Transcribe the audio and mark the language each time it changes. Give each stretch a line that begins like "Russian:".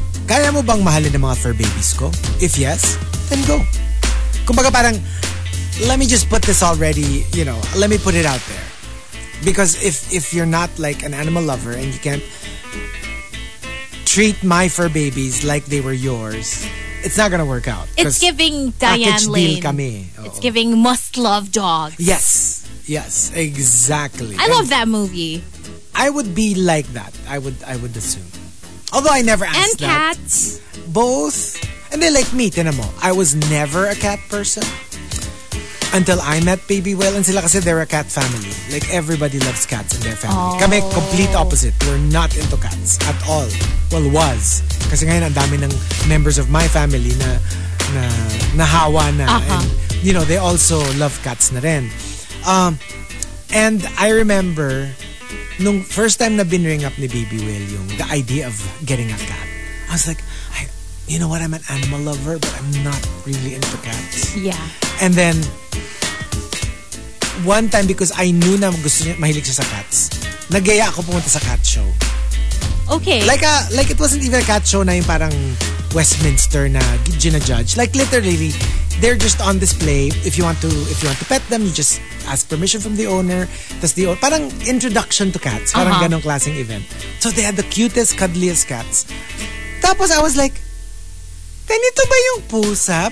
Filipino: Kaya mo bang mahalin ng mga fur babies ko?
English: If yes, then go.
Filipino: Kumbaga parang,
English: let me just put this already, you know, let me put it out there. Because if you're not like an animal lover and you can't treat my fur babies like they were yours, it's not gonna work out. It's giving Diane Lane. Package deal kami. Oh. It's giving must love dogs. Yes. Yes, exactly. I love that movie. I would be like that. I would assume. Although I never asked and cats. That. Both. And they like me, tinamo. I was never a cat person. Until I met Baby Will and
Filipino: sila kasi
English: they're a cat family. Like everybody loves cats in their family. Oh. Kami, complete opposite. We're not into cats at all. Well, was.
Filipino: Kasi ngayon ang dami ng
English: members of my family
Filipino: na nahawa na. Uh-huh.
English: And, you know, they also love cats
Filipino: na rin.
English: And I remember,
Filipino: nung first time na binring up ni Baby Will yung
English: the idea of getting a cat, I was like, you know what, I'm an animal lover, but I'm not really into cats. Yeah. And then, one time, because I knew
Filipino: na gusto niya, mahilig siya sa cats, nagaya ako pumunta sa
English: cat show. Okay. Like it wasn't even a cat show
Filipino: na yung parang
English: Westminster na ginajudge. Like literally, they're just on display. If you want to pet them, you just ask permission from the owner.
Filipino: Tas
English: the owner, parang introduction to cats. Parang uh-huh.
Filipino: ganong klaseng
English: event. So they had the cutest, cuddliest cats.
Filipino: Tapos
English: I was like,
Filipino: ganito ba yung pusa?